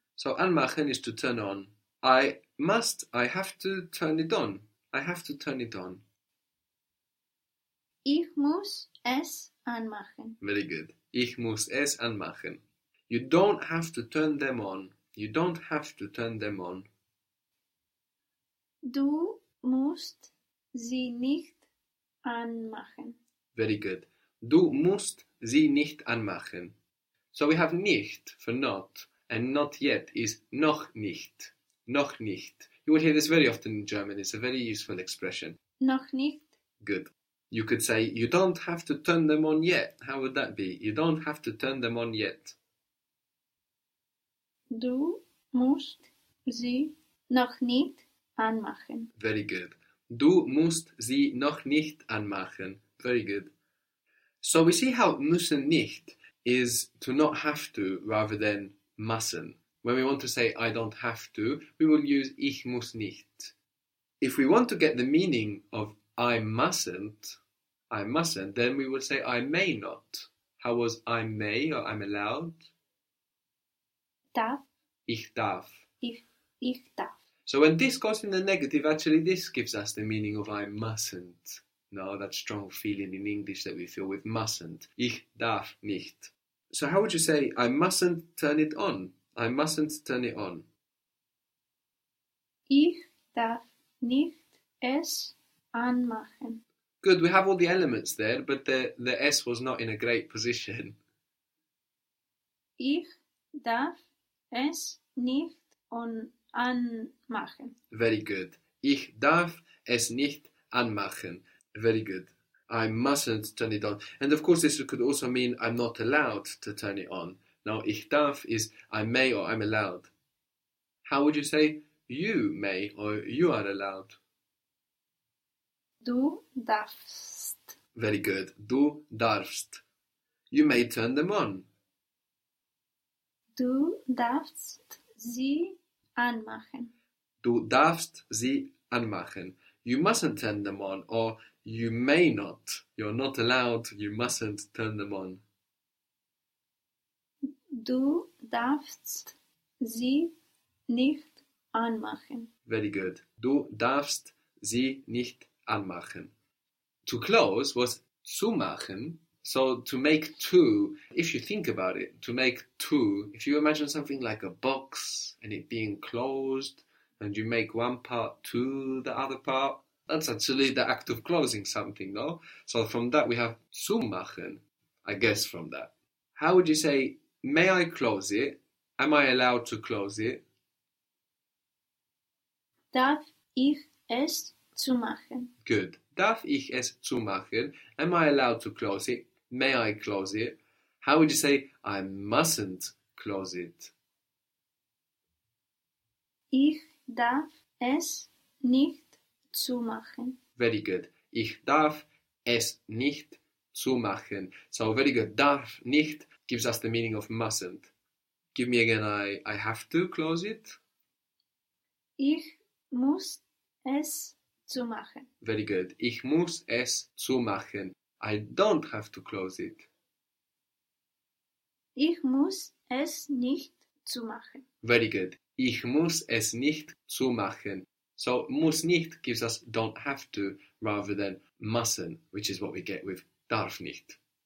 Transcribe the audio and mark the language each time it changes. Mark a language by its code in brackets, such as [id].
[en] So anmachen is to turn on. I must, I have to turn it on. I have to turn it on. [de] Ich muss es anmachen. [en] Very good. [de] Ich muss es anmachen. [en] You don't have to turn them on. You don't have to turn them on. [de] Du musst sie nicht anmachen. [en] Very good. [de] Du musst sie nicht anmachen. [en] So we have nicht for not, and not yet is [de] noch nicht. Noch nicht. [en] You will hear this very often in German. It's a very useful expression. [de] Noch nicht. [en] Good. You could say, you don't have to turn them on yet. How would that be? You don't have to turn them on yet. [de] Du musst sie noch nicht anmachen. [en] Very good. [de] Du musst sie noch nicht anmachen. [en] Very good. So we see how [de] müssen nicht [en] is to not have to rather than müssen. When we want to say I don't have to, we will use [de] ich muss nicht. [en] If we want to get the meaning of I mustn't, then we will say I may not. How was I may or I'm allowed? [de] Darf. Ich darf. Ich darf. [en] So when this goes in the negative, actually this gives us the meaning of I mustn't. No, that strong feeling in English that we feel with mustn't. [de] Ich darf nicht. [en] So how would you say I mustn't turn it on? I mustn't turn it on. [de] Ich darf nicht es anmachen. [en] Good, we have all the elements there, but the S was not in a great position. [de] Ich darf es nicht anmachen. [en] Very good. [de] Ich darf es nicht anmachen. [en] Very good. I mustn't turn it on. And of course, this could also mean I'm not allowed to turn it on. Now, [de] ich darf [en] is I may or I'm allowed. How would you say you may or you are allowed? [de] Du darfst. [en] Very good. [de] Du darfst. [en] You may turn them on. [de] Du darfst sie anmachen. Du darfst sie anmachen. [en] You mustn't turn them on, or you may not. You're not allowed. You mustn't turn them on. [de] Du darfst sie nicht anmachen. [en] Very good. [de] Du darfst sie nicht anmachen. [en] To close was zumachen, so to make two, if you think about it, to make two, if you imagine something like a box and it being closed and you make one part to the other part, that's actually the act of closing something, no? So from that we have zumachen, I guess from that. How would you say, may I close it? Am I allowed to close it? [de] Darf ich es zumachen? [en] Good. [de] Darf ich es zumachen? [en] Am I allowed to close it? May I close it? How would you say, I mustn't close it? [de] Ich darf es nicht zumachen. [en] Very good. [de] Ich darf es nicht zumachen. [en] So very good. [de] Darf nicht [en] gives us the meaning of mustn't. Give me again, I have to close it. [de] Ich muss es zumachen. [en] Very good. [de] Ich muss es zumachen. [en] I don't have to close it. [de] Ich muss es nicht zumachen. [en] Very good. [de] Ich muss es nicht zumachen. [en] So, [de] muss nicht [en] gives us don't have to rather than müssen, which is what we get with [de] darf nicht.